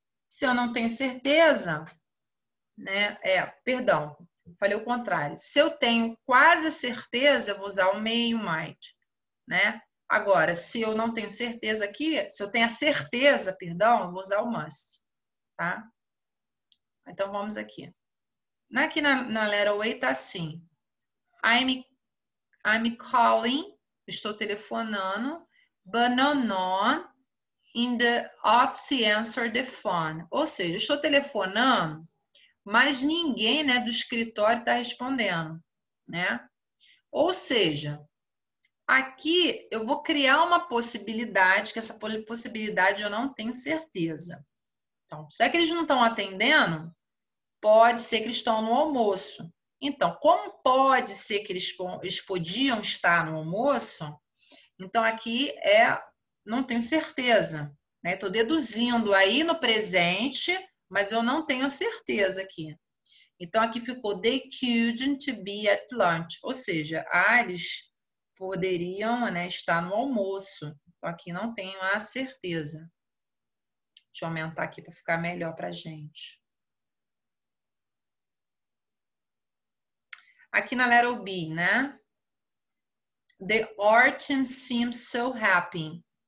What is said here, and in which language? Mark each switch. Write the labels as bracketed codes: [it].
[pt] Se eu não tenho certeza, né? É, perdão. Falei o contrário. Se eu tenho quase certeza, eu vou usar o may ou might, né? Agora, se eu não tenho certeza aqui, se eu tenho a certeza, perdão, eu vou usar o must, tá? Então, vamos aqui. Aqui na letter way tá assim. [en] I'm calling, [pt] estou telefonando, [en] but no one in the office answered the phone. [pt] Ou seja, estou telefonando, mas ninguém, né, do escritório está respondendo, né? Ou seja, aqui eu vou criar uma possibilidade, que essa possibilidade eu não tenho certeza. Então, se é que eles não estão atendendo, pode ser que eles estão no almoço. Então, como pode ser que eles podiam estar no almoço? Então, aqui é, não tenho certeza, né? Estou deduzindo aí no presente, mas eu não tenho certeza aqui. Então, aqui ficou, [en] they couldn't be at lunch. [pt] Ou seja, eles poderiam, né, estar no almoço. Então, aqui não tenho a certeza. Deixa eu aumentar aqui para ficar melhor para a gente. Aqui na [en] letter B, né? The artist seems so happy.